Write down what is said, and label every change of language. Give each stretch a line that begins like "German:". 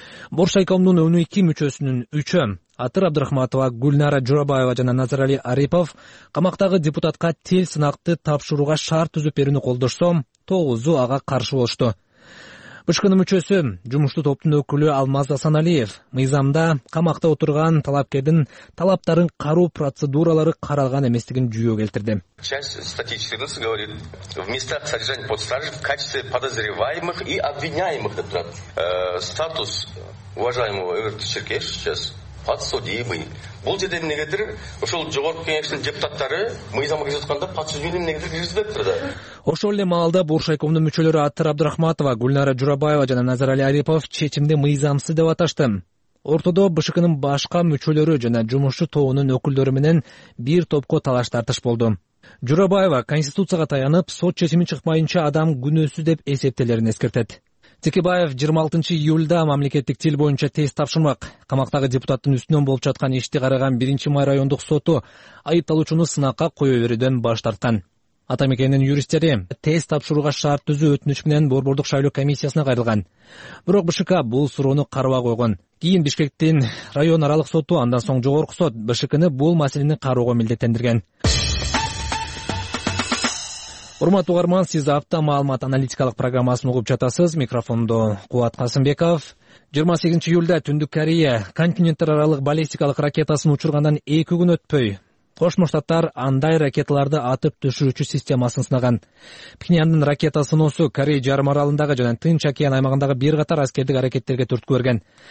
Kyrgyz: Боршайкомдун 12 мүчөсүнүн 3-ү Атыр Абдрахматова, Гүлнара Жорабаева жана Назарали Арипов камактагы депутатка тил сынакты тапшырууга шарт түзүп берүүнү колдошсо, 9-у ага каршы болушту. БШКнын мүчөсү, жумушту топтун өкүлү Алмаз Асаналиев мыйзамда камакта отурган талапкердин талаптарын кароо процедуралары каралган эместигин жүйө келтирди.
Russian: Часть статьи 14 говорит: в местах содержания под стражей в качестве подозреваемых и обвиняемых. Статус уважаемого Эвертчеркеш сейчас подсудимый.
Kyrgyz: Бул жерде эмнегедир ошол жогорку кеңештин депутаттары мыйзамга жазганда подсудимый эмнегедир киргизилип атты да. Ошол эле маалда Боршайкомдун мүчөлөрү Аттар Абдрахматова, Гүлнара Журабаева жана Назарали Арипов чечимди мыйзамсыз деп аташты. Ортодо БШКнын башка мүчөлөрү жана жумушчу тобунун өкүлдөрү менен бир топко талаш тартыш болду. Журабаева конституцияга таянып, сот чечими чыкмайынча адам күнөөсүз деп эсептелерин эскертет. Текебаев 26-июлда мамлекеттик тил боюнча тест тапшырмак. Камактагы депутаттын үстүнөн болуп жаткан ишти караган 1-май райондук соту айыпталуучуну сынакка кое берүүдөн баш тарткан. Атамекендин юристтери тест тапшырууга шарт түзүү өтүнүч менен борбордук шайлоо комиссиясына кайрылган. Бирок БШК бул суроону карабай койгон. Кийин Бишкектин район аралык соту, андан соң жогорку сот БШКны бул маселени кароого милдеттендирген. Урматтуу угарман, сиз апта маалымат аналитикалык программасын угуп жатасыз. Микрофондо Кубат Касымбеков. 28-июлда Түндүк Корея континенттер аралык баллистикалык ракетасын учургандан 2 күн өтпөй Кошмо Штаттар андай ракеталарды атып түшүрүүчү системасын сынаган. Пхеньяндын ракета сыноосу Корея жарым аралындагы жана Тынч океан аймагындагы бир катар аскердик аракеттерге түрткү берген.